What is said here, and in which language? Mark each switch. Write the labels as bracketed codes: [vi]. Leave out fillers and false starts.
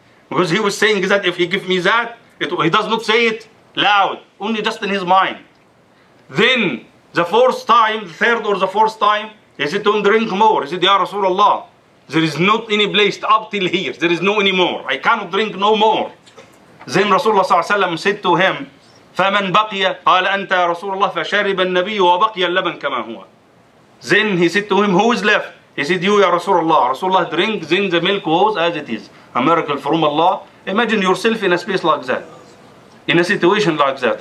[en] Because he was saying that if he give me that, he does not say it loud, only just in his mind. Then the fourth time, the third or the fourth time, he said to him, drink more. He said, Ya Rasulullah, there is not any place up till here. There is no any more. I cannot drink no more. Then Rasulullah صلى الله عليه وسلم said to him, [ar] فَمَنْ بَقِيَ قَالَ أَنْتَ يَا رَسُولَ اللَّهِ فَشَارِبَ النَّبِيُّ وَبَقِيَ اللَّبَنْ كَمَا هُوَ. [en] Then he said to him, who is left? He said, you, Ya Rasulullah. Rasulullah drink, then the milk was as it is. A miracle from Allah. Imagine yourself in a space like that. In a situation like that.